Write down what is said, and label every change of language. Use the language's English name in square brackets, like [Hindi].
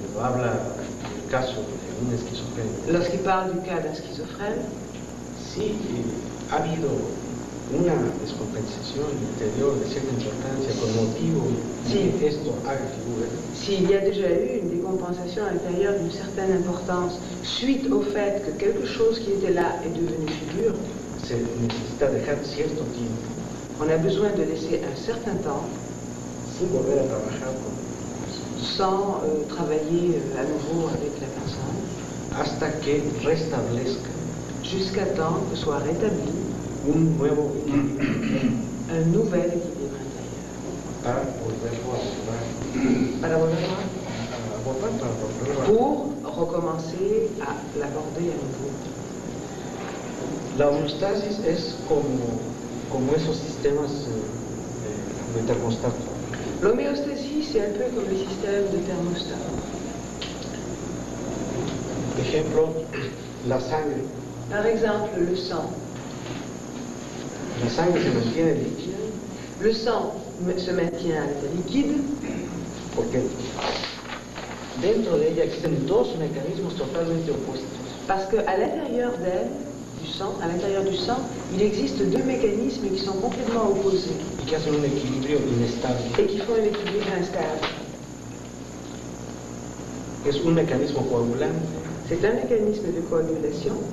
[Spanish] habla del caso de un esquizofrénico. [French] Lorsqu'il parle du cas d'un schizophrène, [Spanish] si ha habido una descompensación interior de cierta importancia con motivo de que esto haga figura. [French] Si il y a déjà eu une décompensation intérieure d'une certaine importance suite au fait que quelque chose qui était là est devenu figure, [Spanish] se necesita dejar cierto tiempo. [French] On a besoin de laisser un certain temps [Spanish] sin volver a trabajar con [French] sans travailler à nouveau avec la personne [Spanish] hasta que restablezca [French] jusqu'à temps que soit rétabli [Spanish] un nuevo equilibrio, [French] un nouvel équilibre intérieur. [Spanish] Para volverlo a abordar. Para volverlo a abordar, para volverlo [French] a pour recommencer à l'aborder à nouveau. [Spanish] La homeostasis es como esos sistemas de termostat. [French] L'homéostasie, c'est un peu comme le système de thermostat. [Spanish] Ejemplo, la sangre. [French] Par exemple, le sang. [Spanish] La sangre se mantiene líquida. [French] Le sang se maintient à l'état liquide. [Spanish] Porque dentro de ella existen dos mecanismos totalmente opuestos. [French] Parce que à l'intérieur d'elle, du sang, à l'intérieur du sang, il existe deux mécanismes qui sont complètement opposés. Et qui font un équilibre instable. Et qui font un équilibre instable. C'est un mécanisme coagulant. C'est un mécanisme de coagulation.